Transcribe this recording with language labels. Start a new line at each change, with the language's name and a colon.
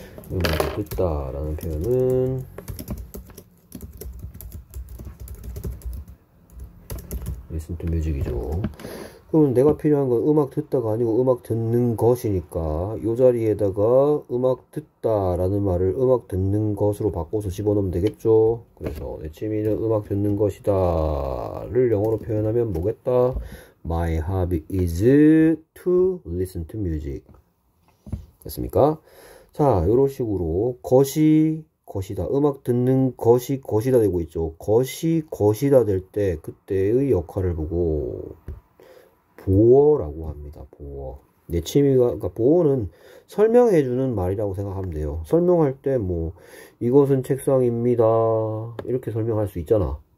Korean: 음악을 듣다라는 표현은
English: Listen to music
Korean: 이죠. 그럼 내가 필요한 건 음악 듣다가 아니고 음악 듣는 것이니까 요 자리에다가 음악 듣다라는 말을 음악 듣는 것으로 바꿔서 집어넣으면 되겠죠. 그래서 내 취미는 음악 듣는 것이다를 영어로 표현하면 뭐겠다?
English: My hobby is to listen to music.
Korean: 됐습니까? 자, 요런 식으로, 것이 것이다. 음악 듣는 것이 것이다 되고 있죠. 것이 것이다 될때 그때의 역할을 보고 보어라고 합니다. 보어. 내 취미가, 그러니까 보어는 설명해주는 말이라고 생각하면 돼요. 설명할 때 뭐, 이것은 책상입니다. 이렇게 설명할 수 있잖아.